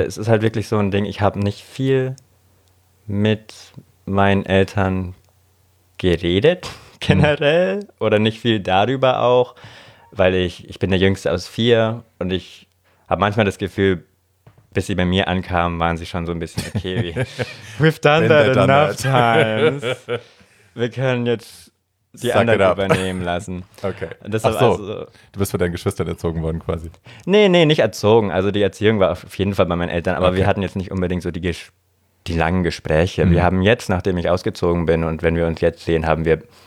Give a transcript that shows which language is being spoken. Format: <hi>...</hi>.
<de>Mhm. Es ist halt wirklich so ein Ding, ich habe nicht viel mit meinen Eltern geredet. Generell oder nicht viel darüber auch, weil ich bin der Jüngste aus 4 und ich habe manchmal das Gefühl, bis sie bei mir ankamen, waren sie schon so ein bisschen okay.</de> <en>We've done that enough times.</en> <de>Wir können jetzt die Suck anderen übernehmen lassen. Okay. Ach so, also, du bist von deinen Geschwistern erzogen worden quasi. Nee, nicht erzogen. Also die Erziehung war auf jeden Fall bei meinen Eltern, aber wir hatten jetzt nicht unbedingt so die langen Gespräche. Mhm. Wir haben jetzt, nachdem ich ausgezogen bin und wenn wir uns jetzt sehen, haben wir</de>